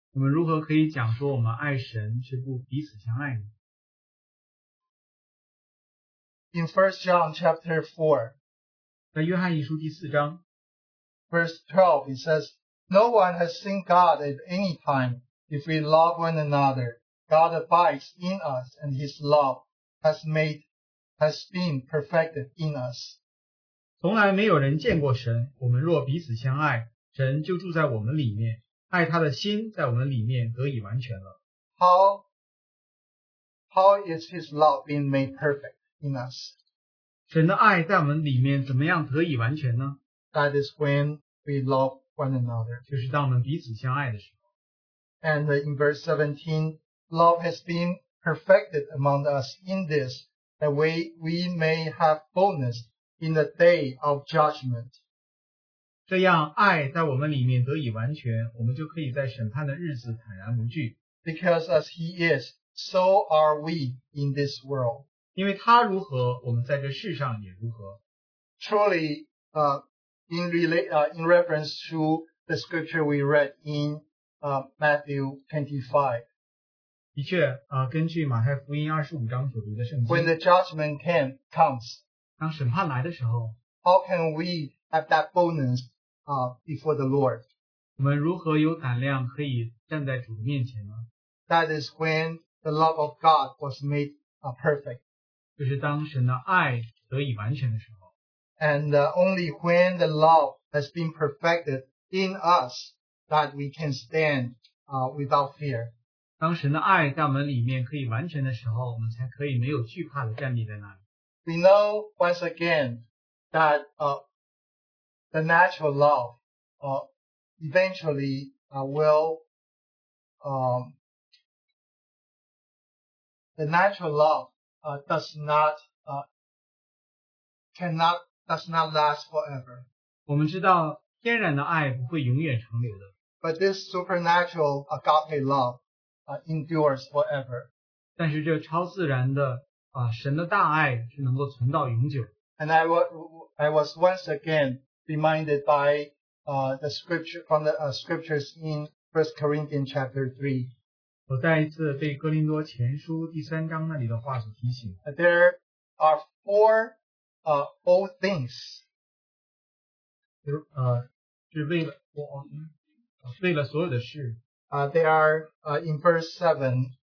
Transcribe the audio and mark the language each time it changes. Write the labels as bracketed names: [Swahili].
[Chinese] 我们如何可以讲说我们爱神却不彼此相爱呢？ [English] In 1 John chapter 4, [Chinese] 在约翰一书第四章 [English] verse 12, it says, No one has seen God at any time. If we love one another, God abides in us and his love has been perfected in us. [Chinese] 从来没有人见过神，我们若彼此相爱，神就住在我们里面，爱他的心在我们里面得以完全了。 [English] How is his love being made perfect in us? [Chinese] 神的爱在我们里面怎么样得以完全呢？ [English] That is when we love one another. [Chinese] 就是当我们彼此相爱的时候。 [English] And in verse 17, love has been perfected among us in this, that we may have boldness in the day of judgment. [Chinese] 这样爱在我们里面得以完全，我们就可以在审判的日子坦然无惧。 [English] Because as he is, so are we in this world. [Chinese] 因为他如何，我们在这世上也如何。 [English] Truly, in reference to the scripture we read in Matthew 25. [Chinese] 的确，根据马太福音25章所读的圣经。 [English] When the judgment comes, [Chinese] 当审判来的时候， [English] how can we have that boldness before the Lord? [Chinese] 我们如何有胆量可以站在主面前呢？ [English] That is when the love of God was made perfect. [Chinese] 就是当神的爱得以完全的时候。 [English] And only when the love has been perfected in us that we can stand without fear. [Chinese] 当神的爱在我们里面可以完全的时候，我们才可以没有惧怕的站立在那里。 [English] We know once again that the natural love eventually does not last forever. [Chinese] 我们知道天然的爱不会永远长留的。 [English] But this supernatural agape love endures forever. [Chinese] 但是这超自然的神的大爱是能够存到永久。 [English] And I was once again reminded by the scripture from the scriptures in 1 Corinthians chapter 3. [Chinese] 我再一次被哥林多前书第三章那里的话所提醒。 [English] There are four old things. [Chinese] 是为了所有的事。 [English] They are in verse 7.